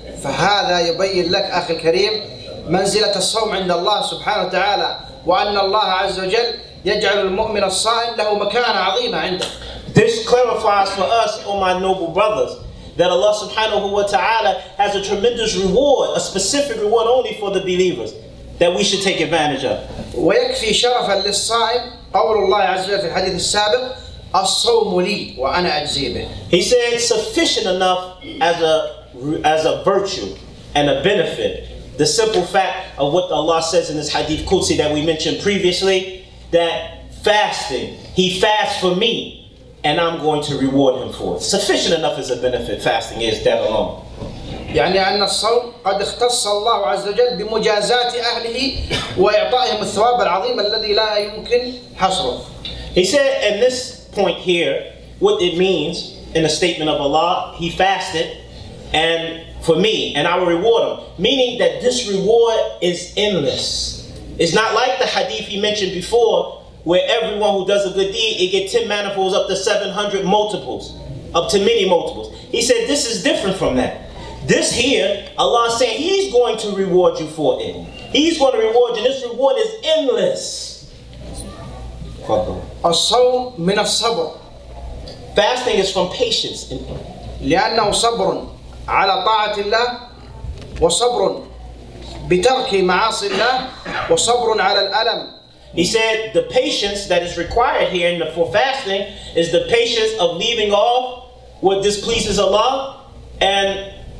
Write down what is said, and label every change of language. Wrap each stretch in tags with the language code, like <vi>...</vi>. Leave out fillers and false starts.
<ar>فهذا يبين لك أخي الكريم منزلة الصوم عند الله سبحانه وتعالى وأن الله عز وجل يجعل المؤمن الصائم له مكانة عظيمة عنده.</ar> <en>This clarifies for us, O my noble brothers, that Allah</en> <ar>سبحانه وتعالى</ar> <en>has a tremendous reward, a specific reward only for the believers that we should take advantage of.</en> <ar>ويكفي شرفا للصائم قول الله عز وجل في الحديث السابق الصوم لي وأنا أجزي به.</ar> <en>He said sufficient enough as a virtue and a benefit, the simple fact of what Allah says in this hadith Qudsi that we mentioned previously, that fasting, he fasts for me and I'm going to reward him for it. Sufficient enough as a benefit, fasting is that alone.</en> <ar>يعني أن الصوم قد اختص الله عز وجل بمجازات أهله وإعطائهم الثواب العظيم الذي لا يمكن حصره.</ar> <en>He said in this point here, what it means in a statement of Allah, he fasted, and for me, and I will reward him. Meaning that this reward is endless. It's not like the hadith he mentioned before, where everyone who does a good deed, it get 10 manifolds up to 700 multiples, up to many multiples. He said, this is different from that. This here, Allah is saying he's going to reward you for it. He's going to reward you, this reward is endless.</en> <ar>الصوم من الصبر.</ar> <en>Fasting is from patience.</en> <ar>لأنه صبر. على طاعة الله وصبر بترك معاصي الله وصبر على الألم.</ar> <en>He said the patience that is required here in the for fasting is the patience of leaving off what displeases Allah and</en>